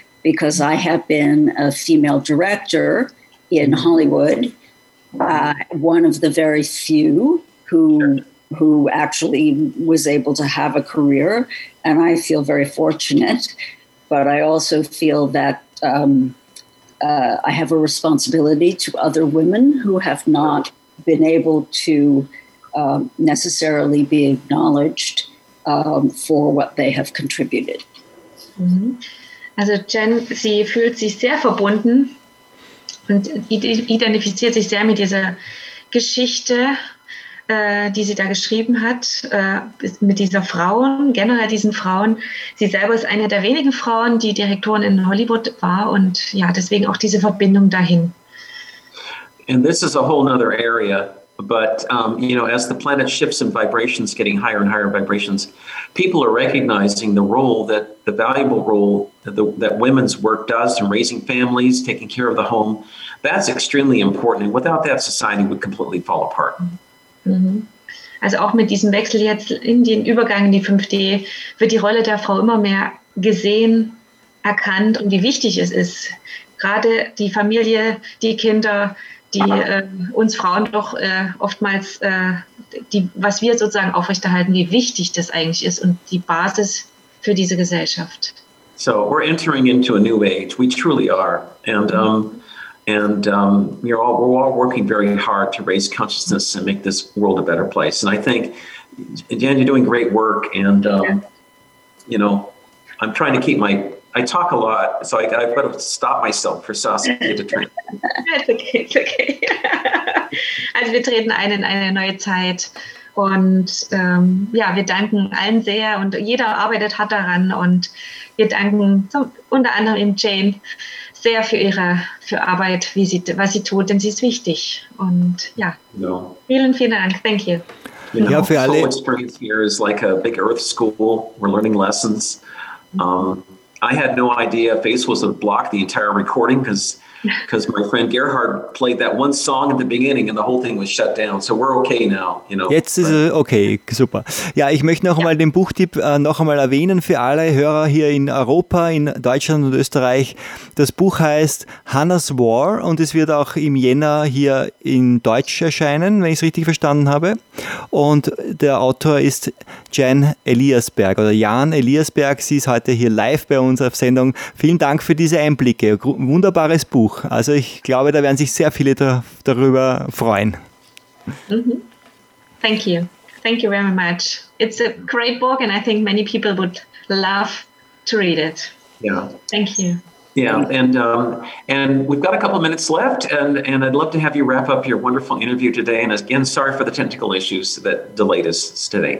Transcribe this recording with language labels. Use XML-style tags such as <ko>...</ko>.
<en>Because I have been a female director in Hollywood, one of the very few who actually was able to have a career, and I feel very fortunate. But I also feel that I have a responsibility to other women who have not been able to necessarily be acknowledged for what they have contributed.</en> <de>Also Jen, sie fühlt sich sehr verbunden und identifiziert sich sehr mit dieser Geschichte, die sie da geschrieben hat, mit dieser Frauen, generell diesen Frauen. Sie selber ist eine der wenigen Frauen, die Direktorin in Hollywood war und ja, deswegen auch diese Verbindung dahin.</de> <en>And this is a whole other area, but you know, as the planet shifts in vibrations, getting higher and higher vibrations, people are recognizing the role that the valuable role that women's work does in raising families, taking care of the home. That's extremely important. And without that, society would completely fall apart. Mm-hmm.</en> <de>Also auch mit diesem Wechsel jetzt in den Übergang in die 5D wird die Rolle der Frau immer mehr gesehen, erkannt und wie wichtig es ist. Gerade die Familie, die Kinder, die uns Frauen doch oftmals, die, was wir sozusagen aufrechterhalten, wie wichtig das eigentlich ist und die Basis für diese Gesellschaft.</de> <en>So, we're entering into a new age. We truly are. And we're all working very hard to raise consciousness and make this world a better place. And I think, Jan, you're doing great work. And, you know, I'm trying to keep my... I talk a lot, so I've got to stop myself for Saskia to train. It's okay.</en> <de>Also wir treten ein in eine neue Zeit und ja, wir danken allen sehr und jeder arbeitet hart daran und wir danken zum, unter anderem eben Jane sehr für ihre für Arbeit, wie sie, was sie tut, denn sie ist wichtig und ja, vielen, vielen Dank.</de> <en>Thank you. You know,</en> <de>ja, für alle.</de> <en>So experience here is like a big earth school. We're learning lessons. I had no idea Face was a block the entire recording because my friend Gerhard played that one song at the beginning and the whole thing was shut down. So we're okay now, you know.</en> <de>Jetzt ist es okay, super. Ja, ich möchte noch einmal den Buchtipp noch einmal erwähnen für alle Hörer hier in Europa, in Deutschland und Österreich. Das Buch heißt Hannah's War und es wird auch im Jänner hier in Deutsch erscheinen, wenn ich es richtig verstanden habe. Und der Autor ist Jan Eliasberg oder Jan Eliasberg. Sie ist heute hier live bei uns auf Sendung. Vielen Dank für diese Einblicke. Wunderbares Buch. Also ich glaube, da werden sich sehr viele darüber freuen.</de> <en>Mm-hmm. Thank you. Thank you very much. It's a great book and I think many people would love to read it. Yeah. Thank you. Yeah, and we've got a couple of minutes left and I'd love to have you wrap up your wonderful interview today. And again, sorry for the technical issues that delayed us today.</en>